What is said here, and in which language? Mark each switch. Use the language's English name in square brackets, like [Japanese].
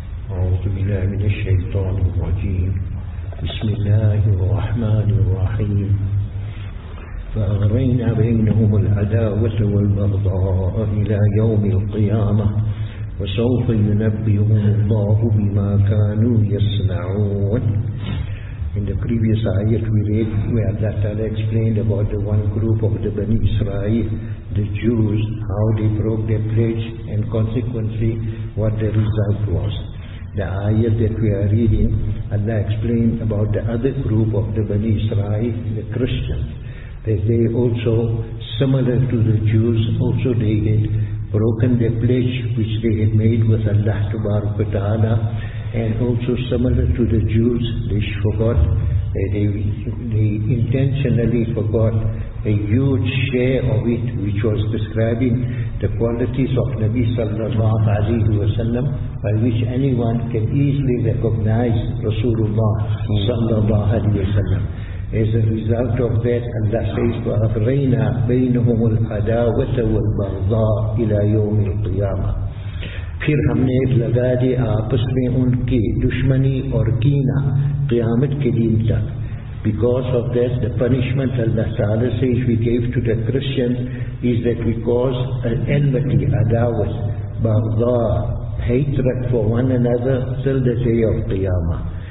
[Arabic] أعوذ بالله من الشيطان الرجيم. بسم الله الرحمن الرحيم. فأغرينا بينهم العداوة والبغضاء إلى يوم القيامة وسوف ينبئهم الله بما كانوا يصنعون. [English] In the previous ayat we read where Allah Ta'ala explained about the one group of the Bani Israel, the Jews, how they broke their pledge and consequently what the result was. The ayat that we are reading, Allah explained about the other group of the Bani Israel, the Christians, that they also, similar to the Jews, also they had broken their pledge which they had made with Allah Tabaraka wa Ta'ala. And also similar to the Jews, they forgot, they intentionally forgot a huge share of it, which was describing the qualities of Nabi sallallahu alayhi wa sallam, by which anyone can easily recognize Rasulullah sallallahu alayhi wa sallam. As a result of that, Allah says, [Arabic] وَأَغْرَيْنَا بَيْنَهُمُ الْحَدَاوَةَ وَالْبَغْضَاءَ إِلَى يَوْمِ الْقِيَامَةِ. [Urdu] پھر ہم نے لگا دی آپس میں ان کی دشمنی اور کینہ قیامت کے دن تک. [English] Because of that, the punishment Allah Ta'ala says we gave to the Christians is that we cause an enmity, adawat, baghdha, hatred for one another till the day of Qiyamah.